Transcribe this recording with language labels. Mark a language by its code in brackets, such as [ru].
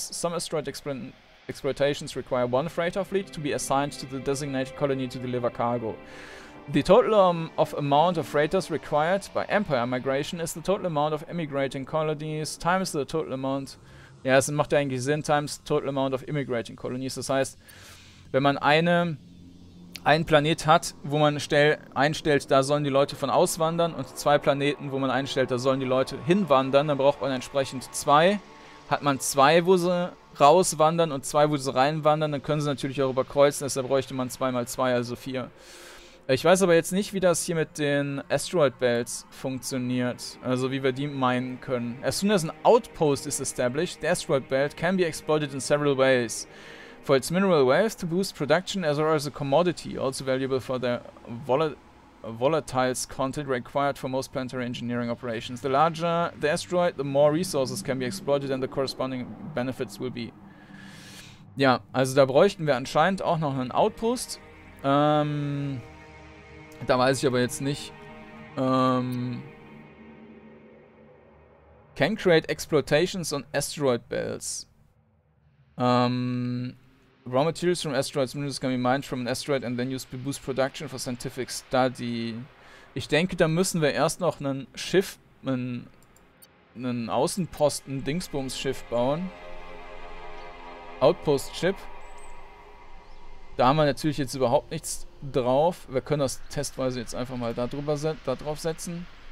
[en] Some asteroid exploitations require one freighter fleet to be assigned to the designated colony to deliver cargo. The total of amount of freighters required by Empire migration is the total amount of emigrating colonies times the total amount [de] Ja, es macht ja eigentlich Sinn, [en] times total amount of immigrating colonies. [de] Das heißt, wenn man einen Planet hat, wo man einstellt, da sollen die Leute von auswandern, und zwei Planeten, wo man einstellt, da sollen die Leute hinwandern, dann braucht man entsprechend zwei. Hat man zwei, wo sie rauswandern, und zwei, wo sie reinwandern, dann können sie natürlich auch überkreuzen, deshalb bräuchte man 2x2, also 4. Ich weiß aber jetzt nicht, wie das hier mit den Asteroid Belts funktioniert. Also wie wir die minen können. [en] As soon as an outpost is established, the Asteroid Belt can be exploited in several ways. For its mineral wealth to boost production as well as a commodity, also valuable for the volatiles content required for most planetary engineering operations. The larger the asteroid, the more resources can be exploited and the corresponding benefits will be. [de] Ja, also da bräuchten wir anscheinend auch noch einen Outpost. Da weiß ich aber jetzt nicht. [en] Can create exploitations on asteroid belts. Raw materials from asteroids minerals can be mined from an asteroid and then used to boost production for scientific study. [de] Ich denke, da müssen wir erst noch ein Schiff, einen Außenposten Dingsbums Schiff bauen. Outpost Ship. Da haben wir natürlich jetzt überhaupt nichts drauf. Wir können das testweise jetzt einfach mal da drauf setzen.